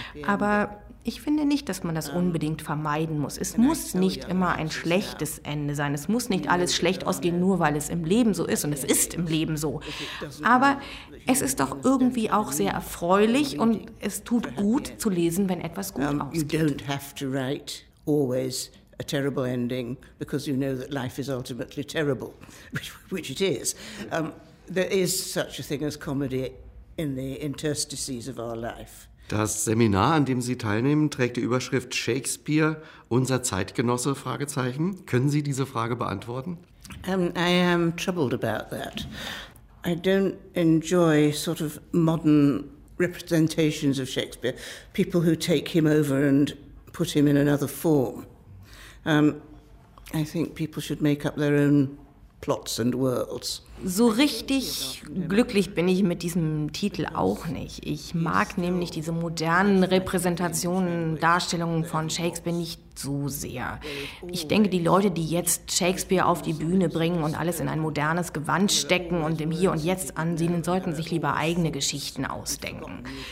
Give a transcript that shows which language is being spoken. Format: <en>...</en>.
<de>Aber ich finde nicht, dass man das unbedingt vermeiden muss. Es muss nicht immer ein schlechtes Ende sein. Es muss nicht alles schlecht ausgehen, nur weil es im Leben so ist. Und es ist im Leben so. Aber es ist doch irgendwie auch sehr erfreulich und es tut gut zu lesen, wenn etwas gut ausgeht.</de> <en>You don't have to write always a terrible ending, because you know that life is ultimately terrible, which it is. There is such a thing as comedy in the interstices of our life.</en> <de>Das Seminar, an dem Sie teilnehmen, trägt die Überschrift Shakespeare, unser Zeitgenosse, Fragezeichen. Können Sie diese Frage beantworten?</de> <en>I am troubled about that. I don't enjoy sort of modern representations of Shakespeare, people who take him over and put him in another form. I think people should make up their own plots and worlds.</en> <de>So richtig glücklich bin ich mit diesem Titel auch nicht. Ich mag nämlich diese modernen Repräsentationen, Darstellungen von Shakespeare nicht so sehr. Ich denke, die Leute, die jetzt Shakespeare auf die Bühne bringen und alles in ein modernes Gewand stecken und im Hier und Jetzt ansehen, sollten sich lieber eigene Geschichten ausdenken.</de>